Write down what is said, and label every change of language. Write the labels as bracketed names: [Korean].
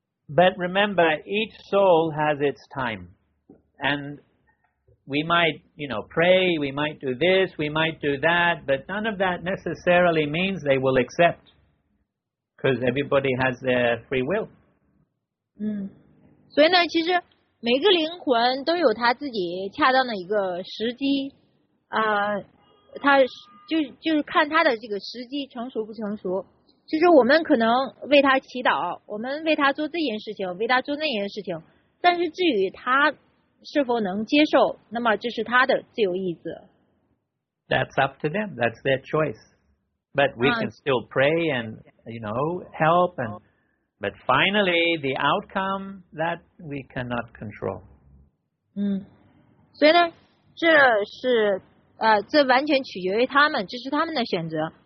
[English] But remember, each soul has its time, and we might, you know, pray, we might do this, we might do that, but none of that necessarily means they will accept, because everybody has their free will. [Chinese] 所以呢，其实每个灵魂都有他自己恰当的一个时机，他就是看他的这个时机成熟不成熟。其实我们可能为他祈祷，我们为他做这件事情，为他做那件事情，但是至于他是否能接受，那么这是他的自由意志。 [English] That's up to them. That's their choice. But we can still pray and, you know, help and. But finally, the outcome that we cannot control. [Chinese] 所以呢，这是这完全取决于他们，这是他们的选择。